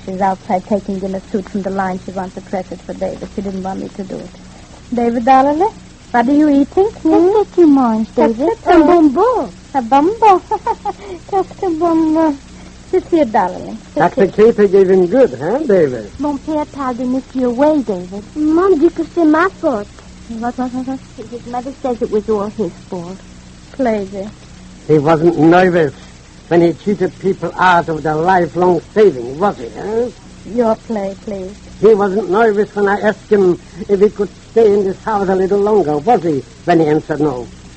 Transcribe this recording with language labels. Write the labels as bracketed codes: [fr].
[en] She's outside taking dinner suit from the line. She wants a present for David. She didn't want me to do it. David, darling, what are you eating? Thank you, Mom, David. That's a bumbo. A bumbo. Just a bumbo. Sit here, darling. Dr. Cater gave him good, huh, David? [fr] Mon père parle de Monsieur Way, David. Mon dieu, que c'est ma faute. [en] His mother says it was all his fault. Crazy. He wasn't nervous when he cheated people out of their lifelong savings, was he, huh? Your play, please. He wasn't nervous when I asked him if he could stay in this house a little longer, was he, when he answered no?